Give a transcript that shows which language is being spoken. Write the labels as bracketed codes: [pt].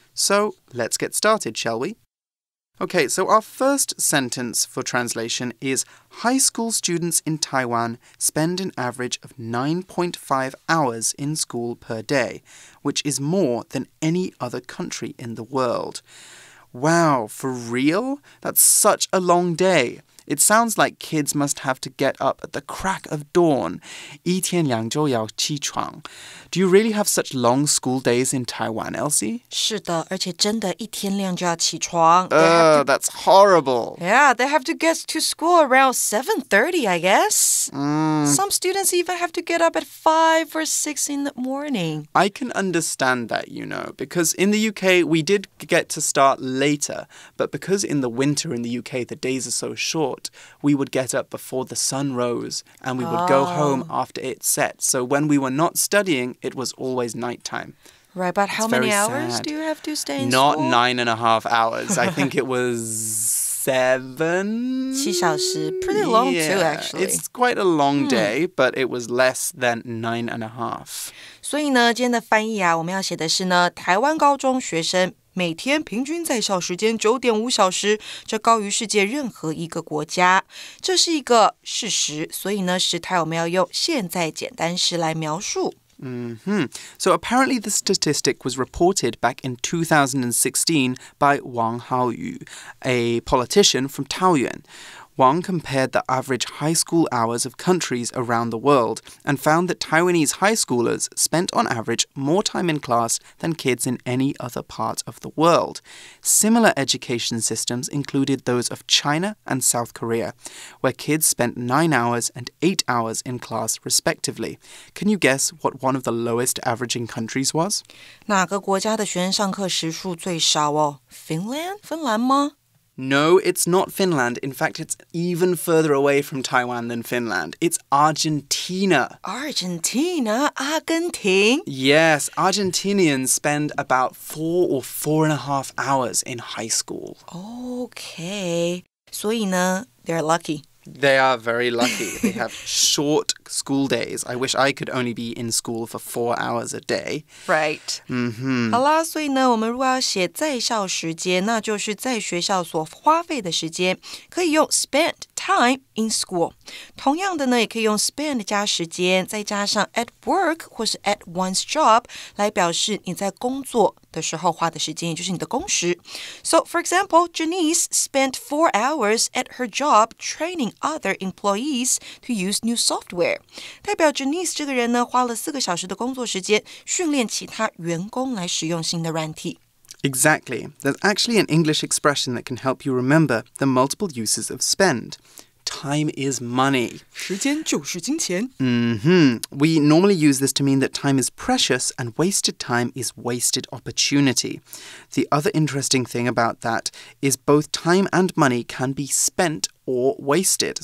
[en] So, let's get started, shall we? Okay, so our first sentence for translation is High school students in Taiwan spend an average of 9.5 hours in school per day, which is more than any other country in the world. Wow, for real? That's such a long day. It sounds like kids must have to get up at the crack of dawn. [zh] 一天两周要起床。 [en] Do you really have such long school days in Taiwan, Elsie? [zh] 是的，而且真的一天两就要起床。 [en] That's horrible. Yeah, they have to get to school around 7:30, I guess. Some students even have to get up at 5 or 6 in the morning. I can understand that, you know, because in the UK, we did get to start later. But because in the winter in the UK, the days are so short, we would get up before the sun rose and we would go home after it set. So when we were not studying,It was always nighttime. Right, but how many hours do you have to stay in school? Not 9.5 hours. I think it was 7. [zh] 七小时, [en] pretty long too, actually. It's quite a long day, but it was less than 9.5. [zh] 所以呢，今天的翻译啊，我们要写的是呢，台湾高中学生每天平均在校时间9.5小时，这高于世界任何一个国家。这是一个事实，所以呢，时态我们要用现在简单时来描述。 [en] Mm-hmm. So apparently the statistic was reported back in 2016 by Wang Haoyu, a politician from Taoyuan. Wang compared the average high school hours of countries around the world and found that Taiwanese high schoolers spent on average more time in class than kids in any other part of the world. Similar education systems included those of China and South Korea, where kids spent 9 hours and 8 hours in class respectively. Can you guess what one of the lowest averaging countries was? [zh] 哪个国家的学生上课时数最少哦? [en] Finland? [zh] 芬兰吗? [en] No, it's not Finland. In fact, it's even further away from Taiwan than Finland. It's Argentina. Argentina? [zh] 阿根廷? [en] Yes, Argentinians spend about 4 or 4.5 hours in high school. Okay. [zh] 所以呢, [en] they're lucky. They are very lucky. They have short school days. I wish I could only be in school for 4 hours a day. Right. Mm-hmm. [zh] 好啦，所以呢，我们如果要写在校时间，那就是在学校所花费的时间，可以用 [en] spend time in school. [zh] 同样的呢，也可以用 spend 加时间，再加上 [en] at work [zh] 或是 [en] at one's job [zh] 来表示你在工作的时候花的时间，也就是你的工时。 [en] So, for example, Janice spent 4 hours at her job training other employees to use new software. [zh] 代表 Janice 这个人呢，花了四个小时的工作时间，训练其他员工来使用新的软体。 [en] Exactly. There's actually an English expression that can help you remember the multiple uses of spend. Time is money. [zh] 时间就是金钱。 [en] Mm-hmm. We normally use this to mean that time is precious and wasted time is wasted opportunity. The other interesting thing about that is both time and money can be spent or wasted.